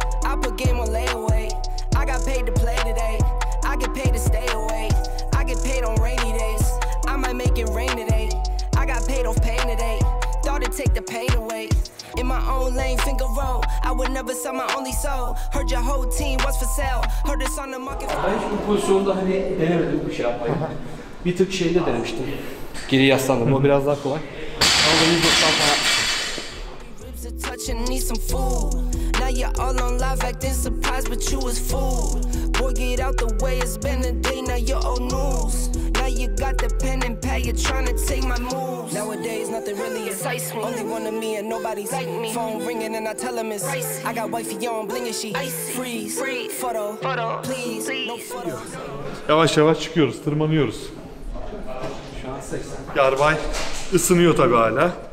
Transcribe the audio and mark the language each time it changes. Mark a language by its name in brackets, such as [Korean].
[English] I put game on layaway. I got paid to play today. I get paid to stay away. I get paid on rainy days. I might make it rain today. I got paid off pain today. Thought it'd take the pain away. In my own lane, finger roll. I would never sell my only soul. Heard your whole team was for sale. Heard it's on the market. [Turkish] Ben şu pozisyonda hani denemedim bir şey yapmayı. Bir tık şeyde denemiştim. Geri yaslandım. O biraz daha kolay. Ama ben 190 falan. [English] Now you're all on live acting surprised but you was fooled. Boy get out the way, it's been a day, now you're old news. Now you got the pen and pad, you're trying to take my moves. Nowadays nothing really excites me. Only one of me and nobody's like me. Phone ringing and I tell him it's Pricey. I got wifey on bling and she Icy. Freeze. Photo. Please. [Turkish] Yavaş yavaş çıkıyoruz, tırmanıyoruz. Yarbay ısınıyor tabi hala.